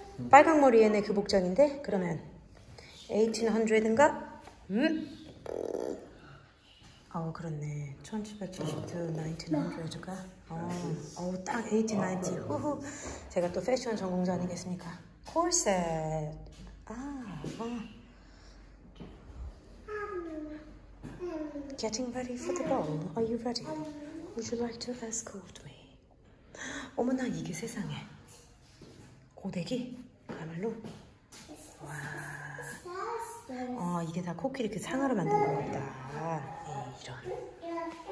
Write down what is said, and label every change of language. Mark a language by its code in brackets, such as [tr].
[ko] 빨강 머리 얘네 그 복장인데? 그러면 1800인가? 응? 어 그렇네 1772, 1900인가? 어우 딱 1890 호호. 제가 또 패션 전공자 아니겠습니까? 콜셋 아, [en] Getting ready for the ball. Are you ready? Would you like to escort me? [ko] 어머나 이게 세상에 고데기? 가말로? 와. 어, 이게 다 코끼리 이렇게 상으로 만든 것 같다. 네, 이런.